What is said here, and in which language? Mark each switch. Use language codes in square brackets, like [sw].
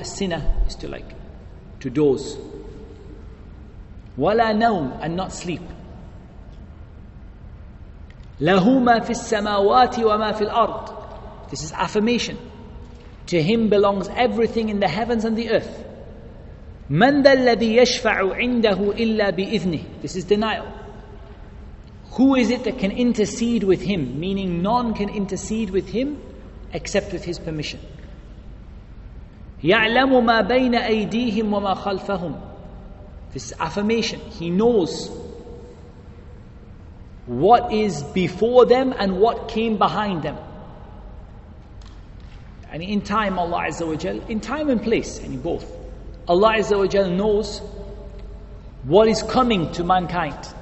[en] A sinner is to like to doze. [ar] Wa la nawm, [en] and not sleep. [ar] Lahu ma fi as-samawati wa ma fi al-ard. [en] This is affirmation. To him belongs everything in the heavens and the earth. [ar] من ذا الذي يشفع عنده إلا بإذنه. [en] This is denial. Who is it that can intercede with him? Meaning none can intercede with him except with his permission. [ar] يعلم ما بين أيديهم وما خلفهم. [en] This is affirmation. He knows what is before them and what came behind them. And in time, Allah Azza wa Jal, in time and place, and in both, Allah Azza wa Jal knows what is coming to mankind.